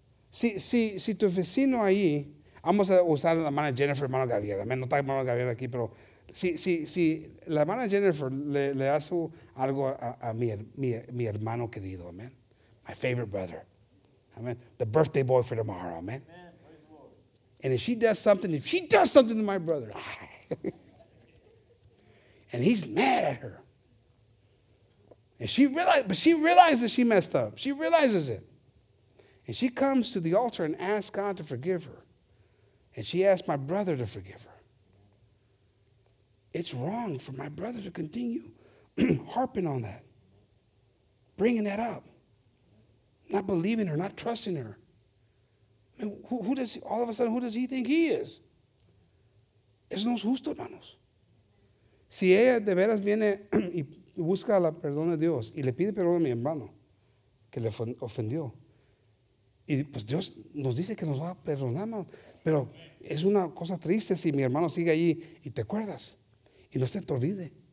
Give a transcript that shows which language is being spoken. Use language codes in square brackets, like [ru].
[es] Si tu vecino ahí, vamos a usar a la hermana Jennifer, hermano Gabriel. Amén, no está hermano Gabriel aquí, pero si la hermana Jennifer le hace algo a mi hermano querido, amén. [en] My favorite brother. Amén. The birthday boy for tomorrow, amén. Amen. And if she does something to my brother, and he's mad at her. And she realizes she messed up. She realizes it. And she comes to the altar and asks God to forgive her. And she asks my brother to forgive her. It's wrong for my brother to continue harping on that. Bringing that up. Not believing her, not trusting her. I mean, who does he think he is? [es] Es no justo, hermanos. Si ella de veras viene y busca la perdón de Dios y le pide perdón a mi hermano que le ofendió, y pues Dios nos dice que nos va a perdonar, hermano. Pero es una cosa triste si mi hermano sigue allí y te acuerdas y no se te olvide.